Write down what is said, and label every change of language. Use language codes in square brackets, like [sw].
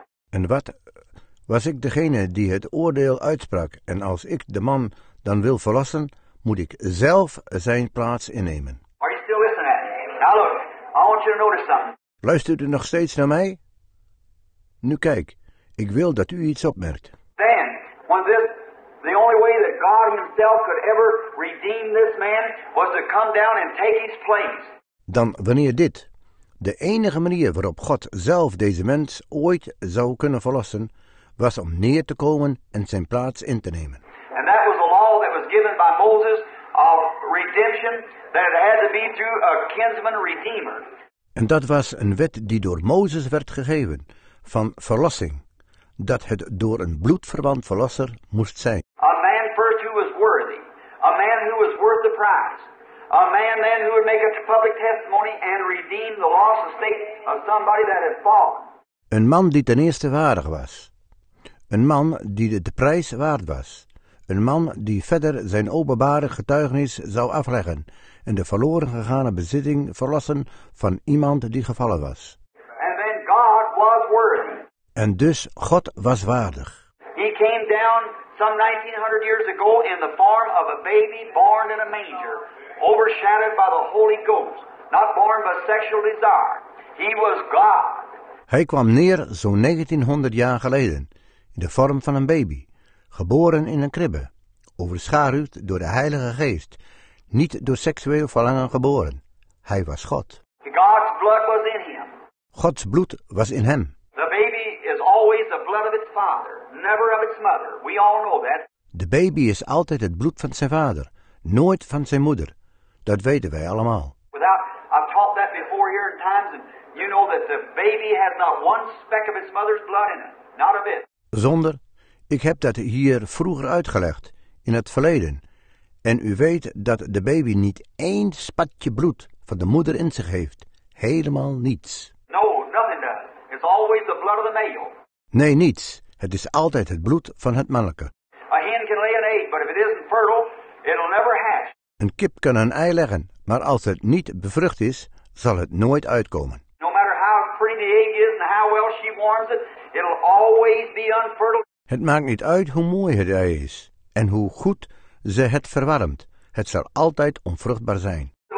[nl] En wat was ik degene die het oordeel uitsprak? En als ik de man dan wil verlossen, moet ik zelf zijn plaats innemen. [en] Are you still listening? Now look, I want you to notice something. [nl] Luistert u nog steeds naar mij? Nu kijk, ik wil dat u iets opmerkt. [en] Then, when the only way that God himself could ever redeem this man was to come down and take his place. [nl] Dan wanneer dit de enige manier waarop God zelf deze mens ooit zou kunnen verlossen, was om neer te komen en zijn plaats in te nemen. [en] And that was the law that was given by Moses of redemption, that it had to be through a kinsman redeemer. [nl] En dat was een wet die door Mozes werd gegeven, van verlossing, dat het door een bloedverwant verlosser moest zijn. [en] A man first who was worthy, a man who was worth the price, a man then who would make a public testimony and redeem the lost estate of somebody that had fallen. [nl] Een man die ten eerste waardig was, een man die de prijs waard was, een man die verder zijn openbare getuigenis zou afleggen en de verloren gegane bezitting verlossen van iemand die gevallen was. [en] And then God was worthy. [nl] En dus God was waardig. [en] He came down some 1900 years ago in the form of a baby born in a manger, overshadowed by the Holy Ghost, not born by sexual desire. He was God. [nl] Hij kwam neer zo'n 1900 jaar geleden in de vorm van een baby, geboren in een kribbe, overschaduwd door de Heilige Geest, niet door seksueel verlangen geboren. Hij was God. [en] God's blood was in him. [nl] Gods bloed was in hem. [en] The baby is always the blood of its father, never of its mother. We all know that. [nl] De baby is altijd het bloed van zijn vader, nooit van zijn moeder. Dat weten wij allemaal. [en] I've taught that before here in times, and you know that the baby has not one speck of its mother's blood in it, not a bit. [nl] Zonder. Ik heb dat hier vroeger uitgelegd, in het verleden. En u weet dat de baby niet één spatje bloed van de moeder in zich heeft. Helemaal niets. [en] No, nothing does. It's always the blood of the male. [nl] Nee, niets. Het is altijd het bloed van het mannelijke. [en] A hen can lay an egg, but if it isn't fertile, it'll never hatch. [nl] Een kip kan een ei leggen, maar als het niet bevrucht is, zal het nooit uitkomen. [en] No matter how pretty the egg is and how well she warms it, it'll always be unfertile. [nl] Het maakt niet uit hoe mooi het ei is en hoe goed ze het verwarmt. Het zal altijd onvruchtbaar zijn.